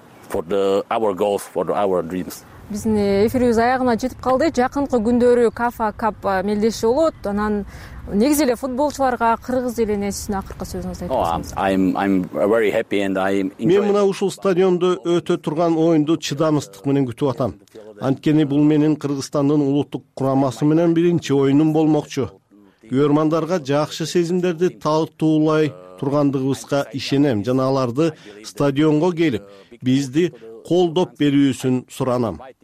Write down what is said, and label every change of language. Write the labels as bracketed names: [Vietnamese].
[English] For the our goals, for our dreams. [Kyrgyz] Биздин эфирибиз аягына жетип калды. Жакынкы күндөрү КАФА КАП мелдеши болот. Анан негизи эле футболчуларга кыргыз элине сиздин акыркы сөзүңүздү айтасыз. [English] I'm very happy and I'm enjoying. [Kyrgyz] Мен мына ушул стадиондо өтө турган оюнду чыдамсыздык менен күтүп атам. Анткени бул менин Кыргызстандын улуттук курамасы менен биринчи оюнум болмокчу. Көрөрмандарга жакшы сезимдерди таалтуулай тургандыгыбызга ишенем жана аларды стадионго келип бизди колдоп берүүсүн суранам.